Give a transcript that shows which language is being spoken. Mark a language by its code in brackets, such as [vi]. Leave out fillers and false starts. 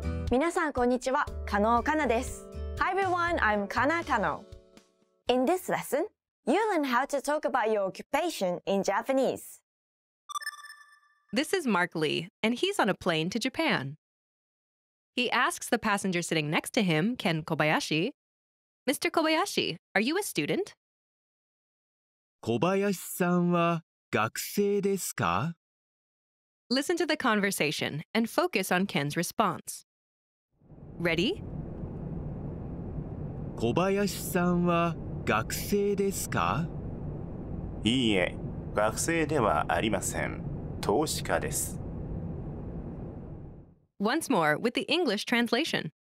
[ja] 皆さんこんにちは、加納かなです。 [en] Hi everyone, I'm Kana Kano. In this lesson, you learn how to talk about your occupation in Japanese. This is Mark Lee, and he's on a plane to Japan. He asks the passenger sitting next to him, Ken Kobayashi, Mr. Kobayashi, are you a student? [ja] 小林さんは学生ですか? [en] Listen to the conversation and focus on Ken's response. Ready? [ja] 小林さんは学生ですか? いいえ、学生ではありません。投資家です。 [en] Once more with the English translation.